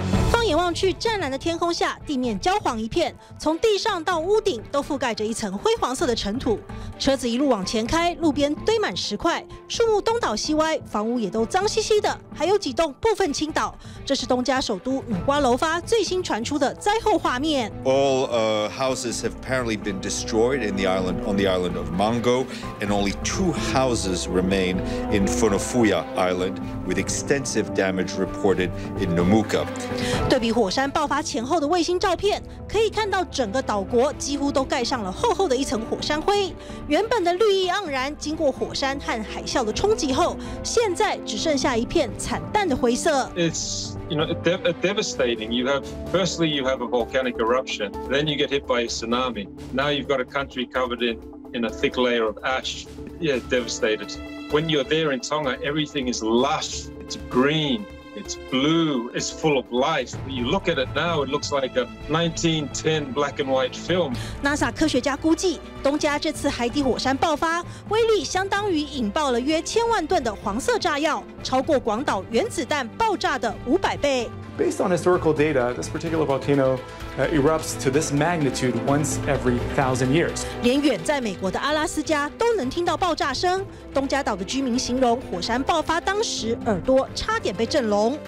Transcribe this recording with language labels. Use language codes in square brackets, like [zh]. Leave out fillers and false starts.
[zh] 放眼望去，湛蓝的天空下，地面焦黄一片，从地上到屋顶都覆盖着一层灰黄色的尘土。车子一路往前开，路边堆满石块，树木东倒西歪，房屋也都脏兮兮的，还有几栋部分倾倒。这是东加首都努瓜楼发最新传出的灾后画面。 [en] All houses have apparently been destroyed in the island on the island of Mango, and only 2 houses remain in Funafuti Island, with extensive damage reported in Nomuka. [zh] 对比火山爆发前后的卫星照片，可以看到整个岛国几乎都盖上了厚厚的一层火山灰。原本的绿意盎然，经过火山和海啸的冲击后，现在只剩下一片惨淡的灰色。 [en] It's, you know, a devastating. You have, firstly, you have a volcanic eruption, then you get hit by a tsunami. Now you've got a country covered in a thick layer of ash. Yeah, devastated. When you're there in Tonga, everything is lush. It's green. It's blue, it's full of life. You look at it now, it looks like a 1910 black and white film. [zh] NASA 科学家估计，东加这次海底火山爆发威力相当于引爆了约1000万吨的黄色炸药，超过广岛原子弹爆炸的500倍。 [en] Based on historical data, this particular volcano erupts to this magnitude once every 1,000 years. [zh] 连远在美国的阿拉斯加都能听到爆炸声。东加岛的居民形容火山爆发当时耳朵差点被震聋。